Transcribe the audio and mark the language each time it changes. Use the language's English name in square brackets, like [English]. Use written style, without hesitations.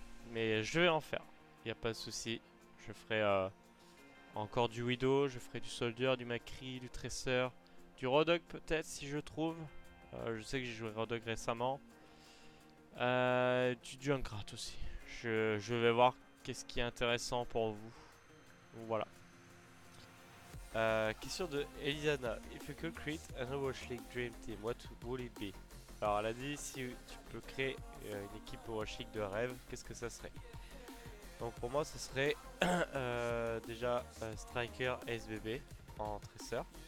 [French] Mais je vais en faire, il n'y a pas de souci. Je ferai encore du Widow, je ferai du Soldier, du Macri, du Tracer, du Rodog peut-être si je trouve. Je sais que j'ai joué Rodog récemment. Du Junkrat aussi. Je vais voir qu'est-ce qui est intéressant pour vous. Voilà. Question de Elisana. [English] If you could create an Overwatch League Dream Team, what would it be? [French] Alors, elle a dit si tu peux créer une équipe Overwatch League de rêve, qu'est-ce que ça serait? Donc, pour moi, ce serait déjà Striker SBB en Tracer.